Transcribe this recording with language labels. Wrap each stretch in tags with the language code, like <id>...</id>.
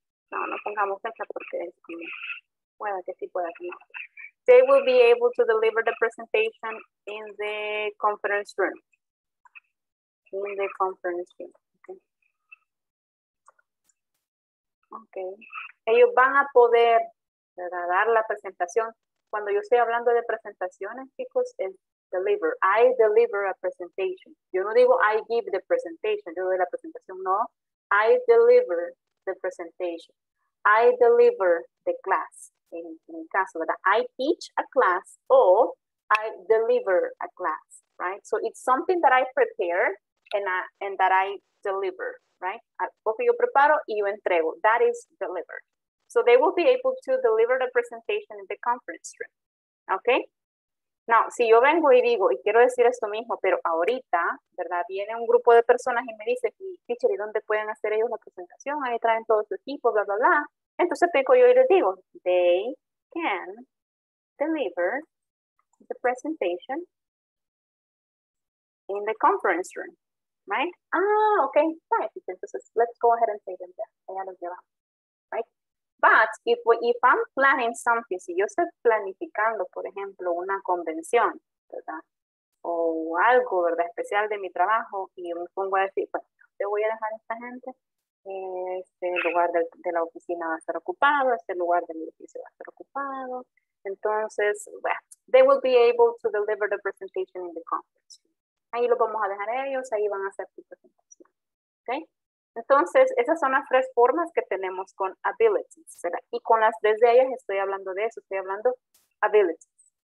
<es>No, no pongamos fecha porque es como, bueno, que sí pueda tomar.</es> <en>They will be able to deliver the presentation in the conference room. In the conference room. Okay.</en> <es>Ellos van a poder, ¿verdad?, dar la presentación. Cuando yo estoy hablando de presentaciones, chicos, es deliver.</es> <en>I deliver a presentation.</en> <es>Yo no digo</es> <en>I give the presentation.</en> <es>Yo doy la presentación. No.</es> <en>I deliver the presentation. I deliver the class.</en> <es>En el caso, ¿verdad?</es> <en>I teach a class or I deliver a class, right? So it's something that I prepare and that I deliver, right?</en> <es>Porque yo preparo y yo entrego.</es> <en>That is deliver. So they will be able to deliver the presentation in the conference room, okay?</en> <es>Now, si yo vengo y digo, y quiero decir esto mismo, pero ahorita, ¿verdad? Viene un grupo de personas y me dice, teacher, ¿y dónde pueden hacer ellos la presentación? Ahí traen todo su equipo, bla, bla, bla. Entonces tengo yo y les digo,</es> <en>they can deliver the presentation in the conference room, right? Ah, okay, right.</en> <es>Entonces,</es> <en>let's go ahead and say them there.</en> <es>Ya los llevamos, right?</es> <en>But if I'm planning something,</en> <es>si yo estoy planificando, por ejemplo, una convención, ¿verdad? O algo, ¿verdad? Especial de mi trabajo, y yo me pongo a decir, pues, ¿dónde voy a dejar a esta gente? Este lugar de la oficina va a estar ocupado, este lugar del edificio va a estar ocupado.</es> <en>Entonces, well, they will be able to deliver the presentation in the conference.</en> <es>Ahí lo vamos a dejar ellos, ahí van a hacer su presentación. Okay? Entonces, esas son las tres formas que tenemos con abilities, ¿verdad? Y con las desde ellas estoy hablando de eso, estoy hablando abilities.</es>